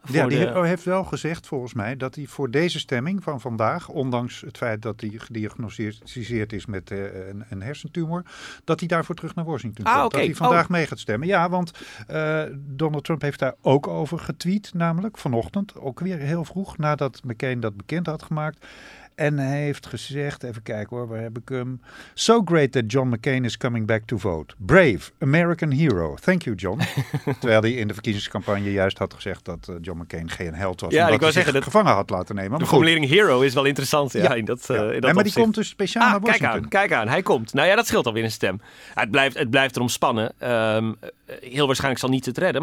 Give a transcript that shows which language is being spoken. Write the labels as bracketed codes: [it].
[nl] Heeft wel gezegd, volgens mij, dat hij voor deze stemming van vandaag, ondanks het feit dat hij gediagnosticeerd is met een hersentumor, dat hij daarvoor terug naar Washington gaat. Okay. Dat hij vandaag mee gaat stemmen. Ja, want Donald Trump heeft daar ook over getweet, namelijk vanochtend, ook weer heel vroeg, nadat McCain dat bekend had gemaakt. En hij heeft gezegd, even kijken hoor, waar heb ik hem? [en] So great that John McCain is coming back to vote. Brave, American hero. Thank you, John. [nl] Terwijl hij in de verkiezingscampagne juist had gezegd dat John McCain geen held was. Ja, omdat ik wou hij zeggen, zich gevangen had laten nemen. De formulering hero is wel interessant. Ja, maar die komt dus speciaal naar Washington. Kijk aan, hij komt. Nou ja, dat scheelt alweer een stem. Het blijft erom spannen. Heel waarschijnlijk zal niet het redden.